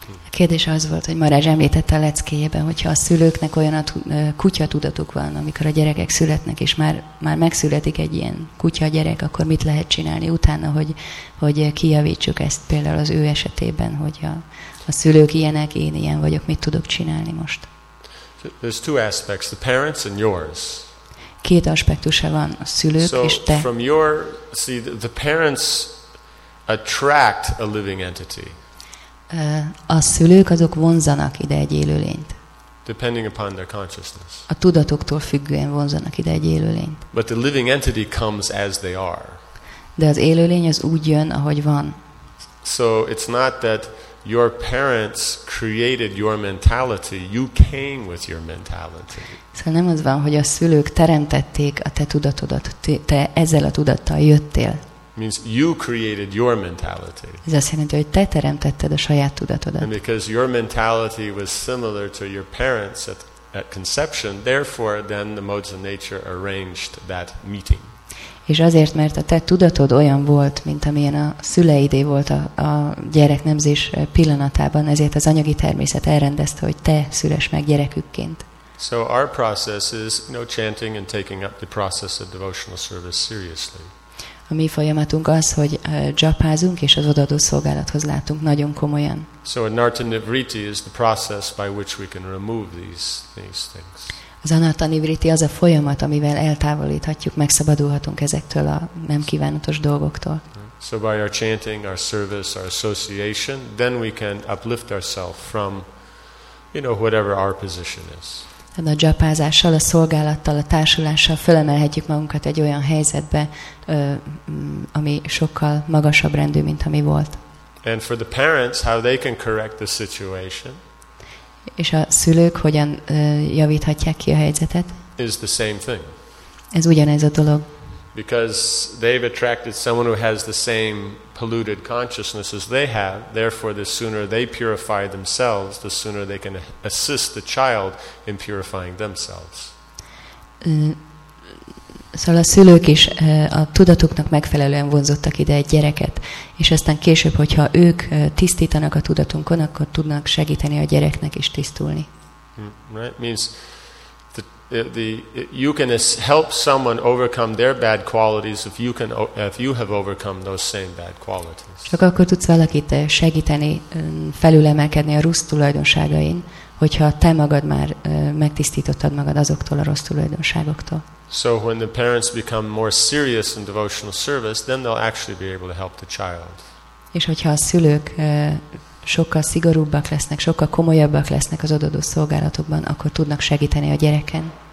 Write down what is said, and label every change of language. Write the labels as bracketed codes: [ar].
[hu] Kérdés az volt, hogy Marázs említette a leckéjében, hogyha a szülőknek olyan kutyatudatuk van, amikor a gyerekek születnek, és már megszületik egy ilyen kutyagyerek, akkor mit lehet csinálni utána, hogy kijavítsuk ezt például az ő esetében, hogy a szülők ilyenek, én ilyen vagyok, mit tudok csinálni most? [en] There's two aspects, the parents and yours. [hu] Két aspektusa van, a szülők [en] so [hu] és te. [en] From your, see, the parents attract a living entity. [hu] A szülők azok vonzanak ide egy élőlényt. [en] depending upon their consciousness. [hu] A tudatoktól függően vonzanak ide egy élőlényt. [en] But the living entity comes as they are. [hu] De az élőlény az úgy jön, ahogy van. [en] So it's not that your parents created your mentality, you came with your mentality. [hu] Szóval nem az van, hogy a szülők teremtették a te tudatodat, te ezzel a tudattal jöttél. [en] Means you created your mentality. [hu] Ez azt jelenti, hogy te teremtetted a saját tudatodat. [en] And because your mentality was similar to your parents at conception, therefore then the modes of nature arranged that meeting. [hu] És azért, mert a te tudatod olyan volt, mint amilyen a szüleidé volt a gyereknemzés pillanatában, ezért az anyagi természet elrendezte, hogy te szüles meg gyerekükként. [en] So our process is, you know, chanting and taking up the process of devotional service seriously. [hu] A mi folyamatunk az, hogy japázunk és az odaadó szolgálathoz látunk nagyon komolyan. [en] So anatta nivritti is the process by which we can remove these things. [hu] Az anatta nivritti az a folyamat, amivel eltávolíthatjuk, megszabadulhatunk ezektől a nem kívánatos dolgoktól. [en] So by our chanting, our service, our association, then we can uplift ourselves from, you know, whatever our position is. [hu] A japázással, a szolgálattal, a társulással fölemelhetjük magunkat egy olyan helyzetbe, ami sokkal magasabb rendű, mint ami volt. [en] And for the parents, how they can correct the situation. [hu] És a szülők hogyan javíthatják ki a helyzetet? [en] Is the same thing. [hu] Ez ugyanez a dolog. [en] Because they've attracted someone who has the same polluted consciousness as they have, therefore the sooner they purify themselves, the sooner they can assist the child in purifying themselves. [hu] Szóval a szülők is a tudatuknak megfelelően vonzottak ide egy gyereket, és aztán később, hogyha ők tisztítanak a tudatunkon, akkor tudnak segíteni a gyereknek is tisztulni. [en] Right? Means the you can help someone overcome their bad qualities if you have overcome those same bad qualities. [hu] Csak akkor tudsz valakit segíteni felülemelkedni a rossz tulajdonságain, hogyha te magad már megtisztítottad magad azoktól a rossz tulajdonságoktól. [en] So when the parents become more serious in devotional service, then they'll actually be able to help the child. [hu] És hogyha a szülők sokkal szigorúbbak lesznek, sokkal komolyabbak lesznek az odaadó szolgálatokban, akkor tudnak segíteni a gyereken.